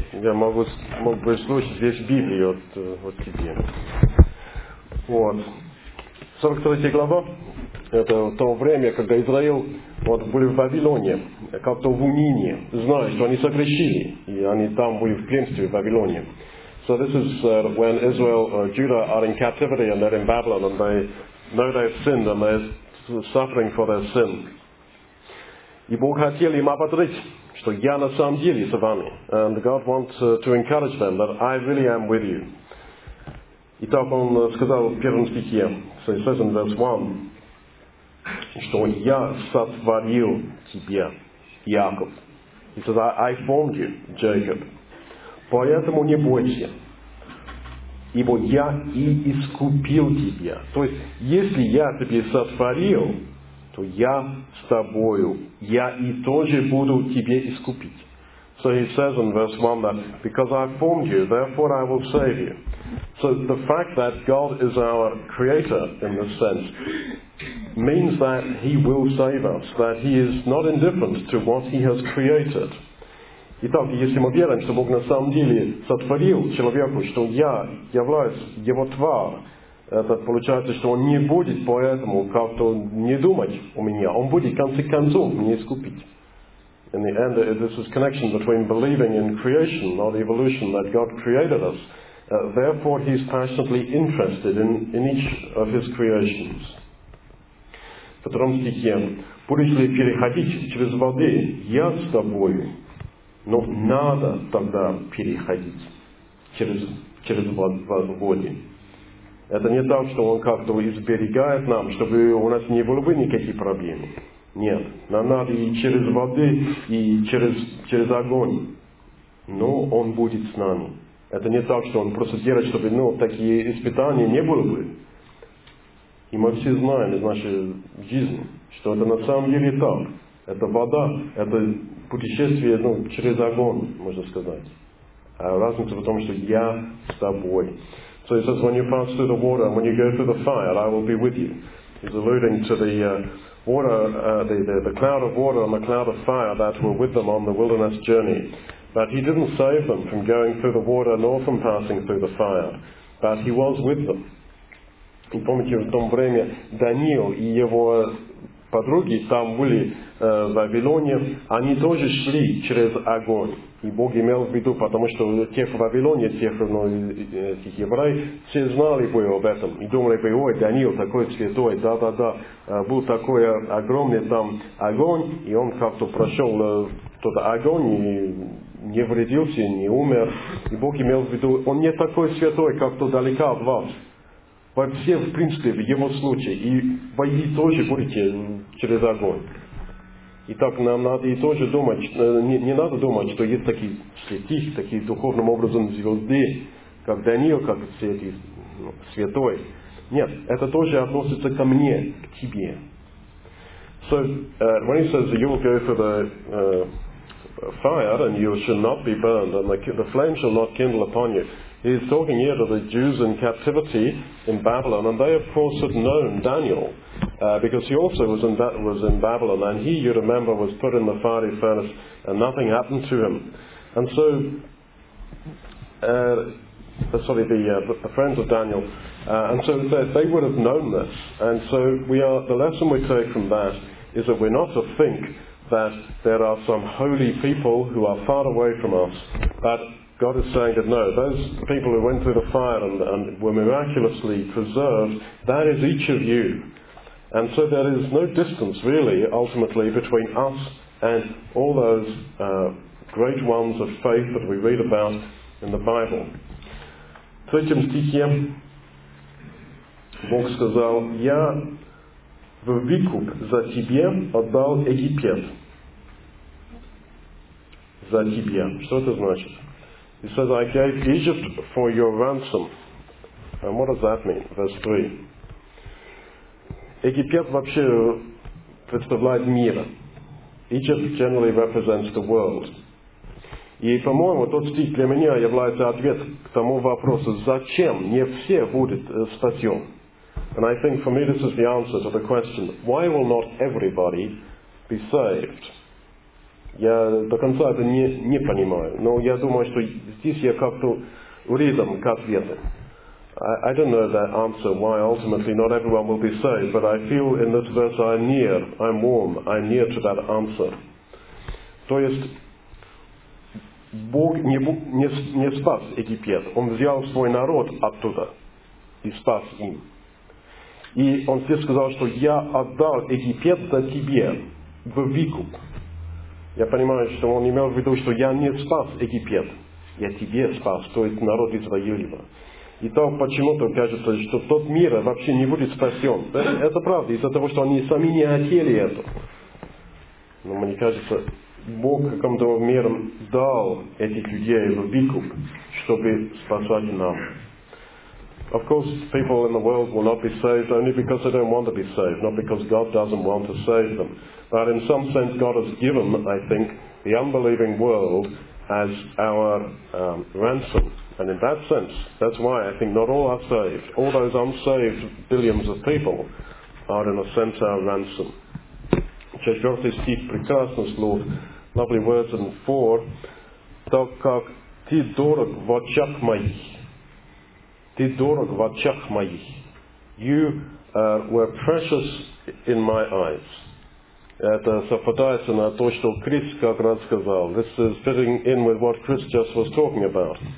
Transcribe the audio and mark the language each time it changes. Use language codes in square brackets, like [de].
[ru] Я мог бы слушать весь Библию от тебе. Вот. 43 глава. Это то время, когда Израиль вот были в Вавилоне, как-то в унынии, знали, что они согрешили, и они там были в пленстве в Вавилоне. [en] So this is when Israel, Judah are in captivity and they're in Babylon and they know they've sinned and they're suffering for their sin. [ru] И Бог хотел им ободрить, что я на самом деле с вами. [en] And God wants to encourage them that I really am with you. [ru] И так он сказал в первом стихе, [en] so he says in verse 1, [ru] что я сотворил тебя, Яков. [en] He says, I formed you, Jacob. [ru] Поэтому не бойся, ибо я и искупил тебя. То есть, если я тебя сотворил, то я с тобою, я и тоже буду тебя искупить. [en] So he says in verse 1 that, because I formed you, therefore I will save you. So the fact that God is our creator in this sense means that he will save us, that he is not indifferent to what he has created. [ru] Итак, если мы верим, что Бог на самом деле сотворил человеку, что я являюсь его тварь, это получается, что он не будет поэтому как-то не думать о меня. Он будет, в конце концов, меня искупить. [en] In the end, this is connection between believing in creation, not evolution, that God created us. Therefore, he's passionately interested in each of his creations. [ru] В втором стихе. Будешь ли переходить через воды? Я с тобою. Но надо тогда переходить через воды. Это не так, что Он как-то изберегает нам, чтобы у нас не было бы никаких проблем. Нет. Нам надо и через воды, и через огонь. Но Он будет с нами. Это не так, что Он просто делает, чтобы такие испытания не было бы. И мы все знаем из нашей жизни, что это на самом деле так. Это вода, это путешествие через огонь, можно сказать. А разница в том, что я с тобой. [en] So he says, when you pass through the water, when you go through the fire, I will be with you. He's alluding to the water, the cloud of water and the cloud of fire that were with them on the wilderness journey. But he didn't save them from going through the water nor from passing through the fire. But he was with them. [ru] И помните, в том время Даниил и его подруги там были в Вавилоне, они тоже шли через огонь. И Бог имел в виду, потому что тех в Вавилоне, тех евреев, все знали бы об этом. И думали бы, ой, Даниил такой святой, да-да-да, был такой огромный там огонь, и он как-то прошел тот огонь, и не вредился, не умер. И Бог имел в виду, он не такой святой, как-то далеко от вас. Вы все, в принципе, в его случае, и вы тоже будете через огонь. И так нам надо и тоже думать, не надо думать, что есть такие святые, такие духовным образом звезды, как Даниил, как святой. Нет, это тоже относится ко мне, к тебе. [en] So, when he says that you will go for the fire, and you should not be burned, and the flame shall not kindle upon you, he is talking here to the Jews in captivity in Babylon, and they of course had known Daniel, because he also was in Babylon, and he, you remember, was put in the fiery furnace, and nothing happened to him. And so, the friends of Daniel, and so they would have known this. And so the lesson we take from that is that we're not to think that there are some holy people who are far away from us, but God is saying that no, those people who went through the fire and were miraculously preserved, that is each of you. And so there is no distance really, ultimately, between us and all those great ones of faith that we read about in the Bible. [ru] В третьем стихе Бог сказал, «Я в выкуп за тебя отдал Египет». За тебя. Что это значит? [en] He says, I gave Egypt for your ransom. And what does that mean? Verse 3. [ru] Египет вообще представляет мир. [en] Egypt generally represents the world. [ru] И, по-моему, тот стих для меня является ответ к тому вопросу, зачем не все будут спасен? [en] And I think for me this is the answer to the question, why will not everybody be saved? [ru] Я до конца это не понимаю, но я думаю, что здесь я как-то рядом к ответу. [en] I don't know that answer, why ultimately not everyone will be saved, but I feel in this verse I'm near to that answer. [ru] То есть, Бог не спас Египет, Он взял свой народ оттуда и спас им. И Он тебе сказал, что я отдал Египет за тебе в выкуп. Я понимаю, что он имел в виду, что я не спас Египет, я тебе спас, то есть народ Израилева. И то почему-то кажется, что тот мир вообще не будет спасен. Это правда, из-за того, что они сами не хотели это. Но мне кажется, Бог каким-то миром дал этих людей в выкуп, чтобы спасать нам. [en] Of course, people in the world will not be saved only because they don't want to be saved, not because God doesn't want to save them. But in some sense, God has given, I think, the unbelieving world as our ransom. And in that sense, that's why I think not all are saved. All those unsaved billions of people are, in a sense, our ransom. [ru] Четвертый стих, прекрасный слов, [en] lovely words in 4. [ru] Так как ты дорог в очах моих. Ты дорог в очах моих. [en] You were precious in my eyes. [ru] Это совпадает на то, что Крис как раз сказал. [en] This is fitting in with what Chris just was talking about.